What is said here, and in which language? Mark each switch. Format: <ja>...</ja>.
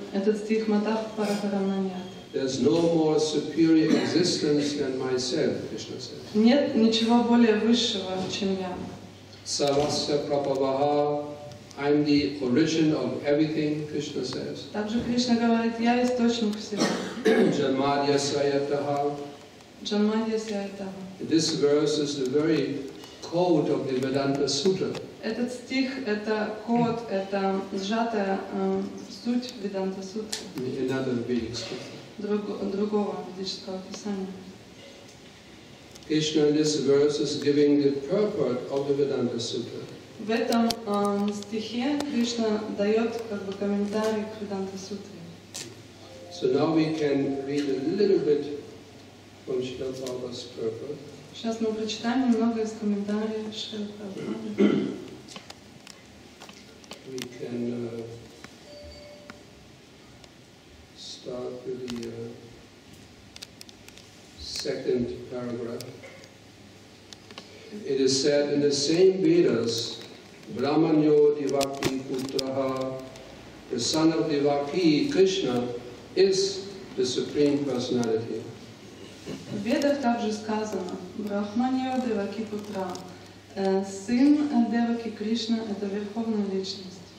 <ru>Этот стих</ru> <sa>матах парахарам наньят.</sa> <en>There's no more superior existence than myself, Krishna says.</en> <ru>Нет ничего более высшего, чем я.</ru> <sa>Sarvasya prabhavaha,</sa> <en>I'm the origin of everything, Krishna says.</en> <ru>Также Кришна говорит, я источник всего.</ru> <sa>Janmadya sayataha. Janmadya sayataha.</sa> <en>This verse is the very code of the Vedanta Sutra.</en> <ru>Этот стих – это код, это сжатая суть Веданта Сутра. Другого ведического описания.</ru> <en>Krishna in this verse is giving the purport of the Vedanta Sutra.</en> <ru>В этом стихе Кришна дает как бы комментарий к Веданта Сутре.</ru> <en>So now we can read a little bit from Śrīla Prabhupāda's purport.</en> <ru>Сейчас мы прочитаем немного из комментариев Śrīla Prabhupāda.</ru> <en>We can start with the second paragraph. It is said in the same Vedas,</en> <sa>Brahmanyo Devaki Putraha,</sa> <en>the son of Devaki, Krishna, is the Supreme Personality.</en> <ru>В Ведах также сказано,</ru> <sa>Брахманьо Деваки Путра,</sa> <ru>сын Деваки Кришна, это Верховная Личность.</ru>